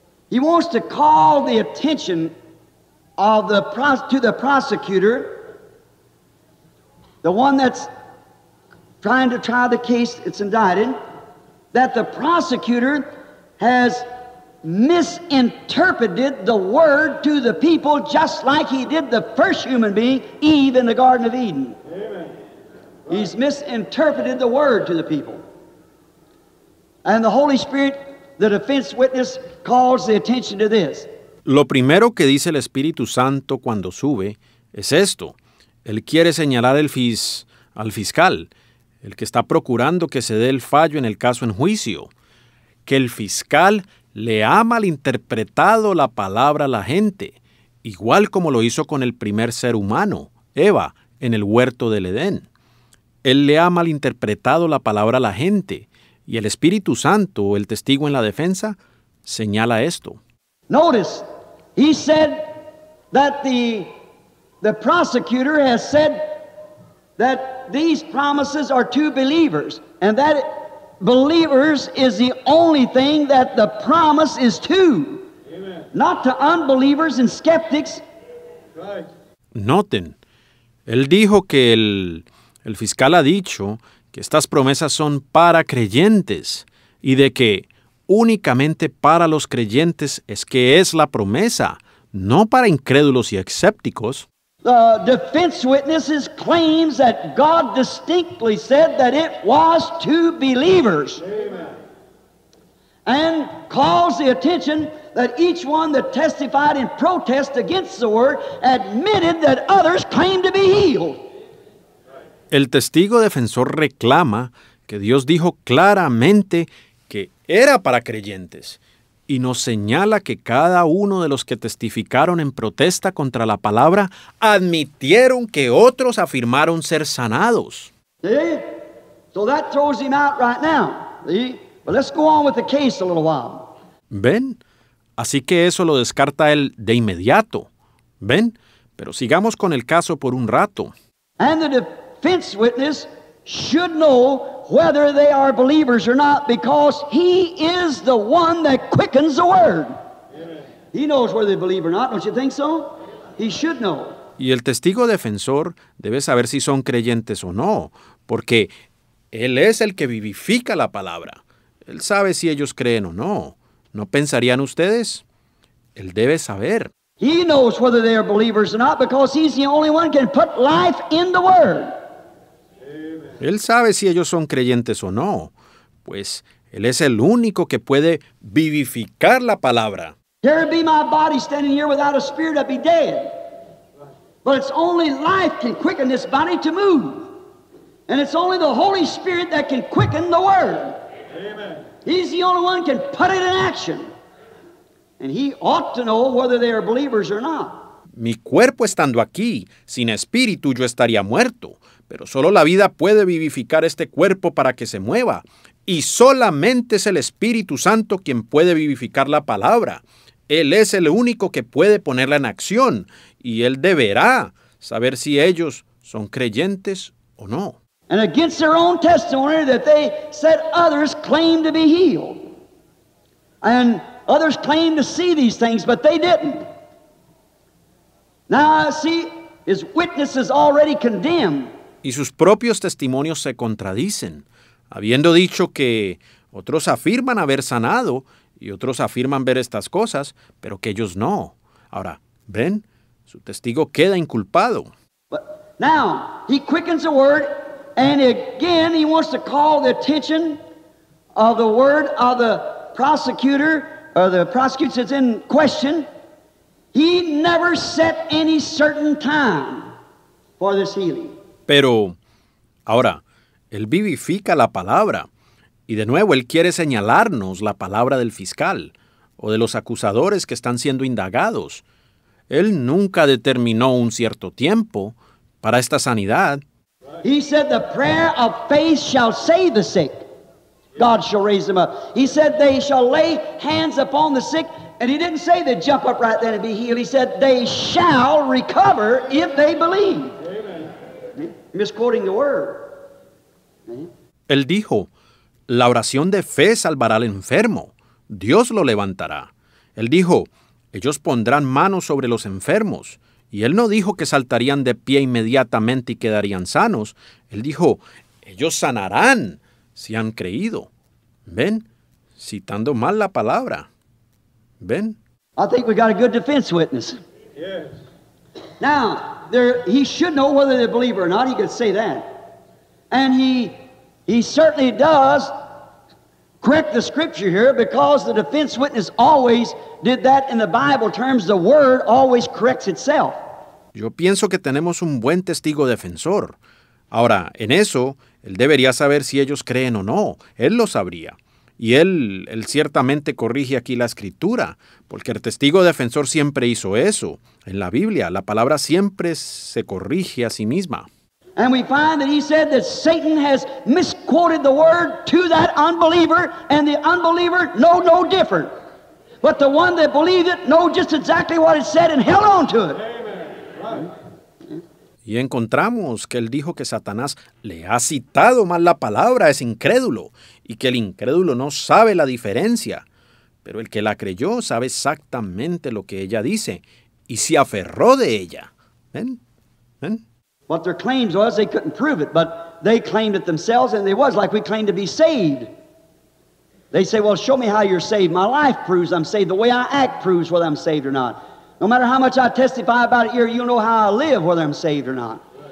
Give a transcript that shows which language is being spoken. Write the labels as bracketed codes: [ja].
[en] He wants to call the attention of the prosecutor, the one that's trying to try the case that's indicted, that the prosecutor has misinterpreted the word to the people just like he did the first human being, Eve, in the Garden of Eden. Amen. He's misinterpreted the word to the people. And the Holy Spirit, the defense witness, calls the attention to this. [es] Lo primero que dice el Espíritu Santo cuando sube es esto. Él quiere señalar al fiscal, el que está procurando que se dé el fallo en el caso en juicio, que el fiscal le ha malinterpretado la palabra a la gente, igual como lo hizo con el primer ser humano, Eva, en el huerto del Edén. Él le ha malinterpretado la palabra a la gente. Y el Espíritu Santo, el testigo en la defensa, señala esto. [en] Notice, he said that the prosecutor has said that these promises are to believers, and that believers is the only thing that the promise is to. Amen. Not to unbelievers and skeptics. Right. [es] Noten, él dijo que el fiscal ha dicho que estas promesas son para creyentes y de que únicamente para los creyentes es que es la promesa, no para incrédulos y escépticos. [en] The defense witnesses claims that God distinctly said that it was to believers. Amen. And calls the attention that each one that testified in protest against the word admitted that others claimed to be healed. [es] El testigo defensor reclama que Dios dijo claramente que era para creyentes y nos señala que cada uno de los que testificaron en protesta contra la palabra admitieron que otros afirmaron ser sanados. [en] See? So that throws him out right now. See? But let's go on with the case a little while. [es] ¿Ven? Así que eso lo descarta él de inmediato. ¿Ven? Pero sigamos con el caso por un rato. [en] And the defense witness should know whether they are believers or not because he is the one that quickens the word. Amen. He knows whether they believe or not, don't you think so? He should know. [es] Y el testigo defensor debe saber si son creyentes o no, porque él es el que vivifica la palabra. Él sabe si ellos creen o no. ¿No pensarían ustedes? Él debe saber. [en] He knows whether they are believers or not because he's the only one who can put life in the word. [es] Él sabe si ellos son creyentes o no, pues él es el único que puede vivificar la palabra. [en] There'd be my body standing here without a spirit, I'd be dead. But it's only life can quicken this body to move. And it's only the Holy Spirit that can quicken the word. Amen. He's the only one who can put it in action. And he ought to know whether they are believers or not. [es] Mi cuerpo estando aquí, sin espíritu yo estaría muerto. Pero solo la vida puede vivificar este cuerpo para que se mueva. Y solamente es el Espíritu Santo quien puede vivificar la palabra. Él es el único que puede ponerla en acción. Y él deberá saber si ellos son creyentes o no. [en] And against their own testimony that they said others claim to be healed. And others claim to see these things, but they didn't. Now, see, his witness is already condemned. [es] Y sus propios testimonios se contradicen, habiendo dicho que otros afirman haber sanado y otros afirman ver estas cosas, pero que ellos no. Ahora, ven, su testigo queda inculpado. [en] But now, he quickens the word, and again he wants to call the attention of the word of the prosecutor, or the prosecutor that's in question. He never set any certain time for this healing. [es] Pero, ahora, él vivifica la palabra. Y de nuevo, él quiere señalarnos la palabra del fiscal o de los acusadores que están siendo indagados. Él nunca determinó un cierto tiempo para esta sanidad. [en] He said the prayer of faith shall save the sick. God shall raise them up. He said they shall lay hands upon the sick. And he didn't say they'd jump up right then and be healed. He said they shall recover if they believe. Misquoting the word. [es] Él dijo, la oración de fe salvará al enfermo. Dios lo levantará. Él dijo, ellos pondrán manos sobre los enfermos. Y él no dijo que saltarían de pie inmediatamente y quedarían sanos. Él dijo, ellos sanarán si han creído. ¿Ven? Citando mal la palabra. ¿Ven? [en] I think we got a good defense witness. Yes. Now, he should know whether they believe or not. He could say that. And he certainly does correct the scripture here because the defense witness always did that in the Bible terms. The word always corrects itself. [es] Yo pienso que tenemos un buen testigo defensor. Ahora, en eso, él debería saber si ellos creen o no. Él lo sabría. Y él ciertamente corrige aquí la escritura, porque el testigo defensor siempre hizo eso. En la Biblia, la palabra siempre se corrige a sí misma. [en] And we find that he said that Satan has misquoted the word to that unbeliever, and the unbeliever know no different. But the one that believed it know just exactly what it said and held on to it. [es] Y encontramos que él dijo que Satanás le ha citado mal la palabra a ese incrédulo y que el incrédulo no sabe la diferencia. Pero el que la creyó sabe exactamente lo que ella dice y se aferró de ella. ¿Ven? ¿Ven? [en] What their claims was, they couldn't prove it, but they claimed it themselves and they was like we claim to be saved. They say, well, show me how you're saved. My life proves I'm saved. The way I act proves whether I'm saved or not. No matter how much I testify about it here, you know how I live, whether I'm saved or not.